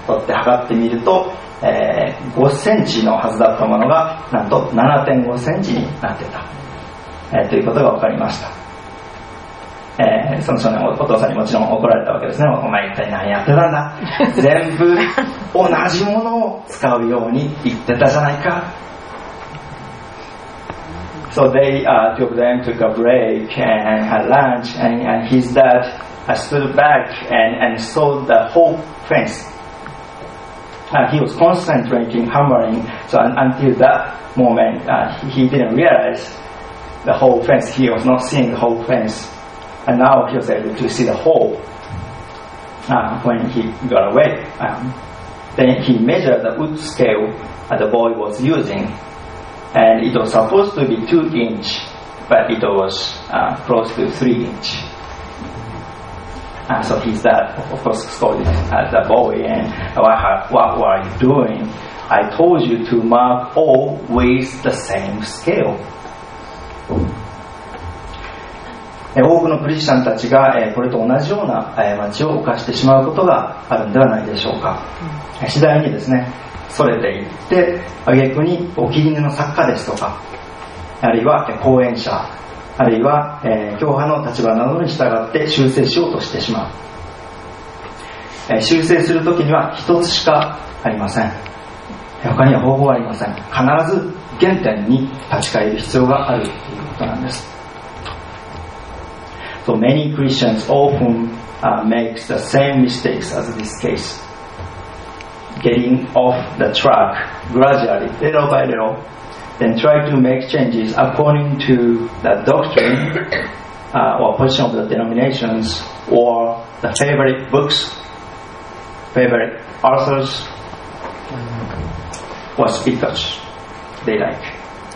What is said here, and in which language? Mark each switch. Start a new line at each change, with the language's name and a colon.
Japanese: 取って測ってみると、5センチのはずだったものがなんと 7.5 センチになってた、ということが分かりました。その少年 お父さんにもちろん怒られたわけですね。お前一体何やってたんだ、全部同じものを使うように言ってたじゃないか。
English: So they two of them took a break and had lunch, and his dadI stood back and saw the whole fence. He was concentrating, hammering, so until that moment, he didn't realize the whole fence. He was not seeing the whole fence. And now he was able to see the hole when he got away. Then he measured the wood scale that the boy was using, and it was supposed to be 2 inch, but it was close to 3 inch. So his dad, of course, scolded the boy, and what were you doing? I told you to mark all with the same scale.
Japanese: 多くのクリスチャンたちがこれと同じような間違いを犯してしまうことがあるのではないでしょうか。次第にですね、それでいって、あげくにお気に入りの作家ですとか、あるいは講演者、あるいは、教派の立場などに従って修正しようとしてしまう。修正するときには一つしかありません。他には方法はありません。必ず原点に立ち返る必要があるということなんです。
English: So many Christians often make the same mistakes as this case. Getting off the track gradually, little by little. Then try to make changes according to the doctrine or position of the denominations or the favorite books, favorite authors or speakers they like.